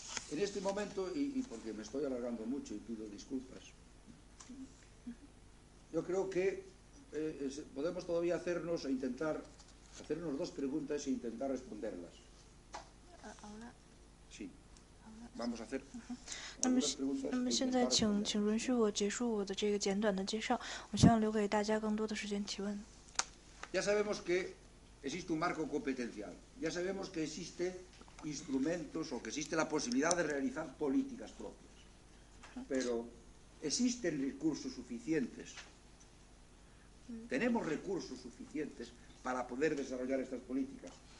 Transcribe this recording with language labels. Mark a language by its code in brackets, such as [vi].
[es] En este momento, y porque me estoy alargando mucho y pido disculpas, yo creo que podemos todavía hacernos e intentar hacernos dos preguntas e intentar responderlas. ¿Ahora? Sí. Vamos a hacer. [zh] 那么现在请允许我结束我的这个简短的介绍，我希望留给大家更多的时间提问。 [es] Ya sabemos que existe un marco competencial. Ya sabemos que existe instrumentos o que existe la posibilidad de realizar políticas propias. Pero ¿existen recursos suficientes? ¿Tenemos recursos suficientes para poder desarrollar estas políticas?